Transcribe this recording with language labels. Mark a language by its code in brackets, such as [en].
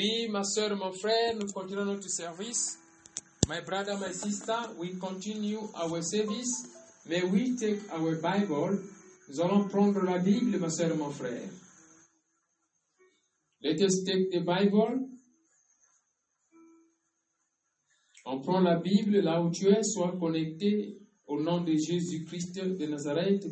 [fr] Ma soeur, mon frère, nous continuons notre service. [en] My brother, my sister, we continue our service. May we take our Bible. [fr] Nous allons prendre la Bible, ma soeur, mon frère. [en] Let us take the Bible. [fr] On prend la Bible là où tu es. Sois connecté au nom de Jésus-Christ de Nazareth.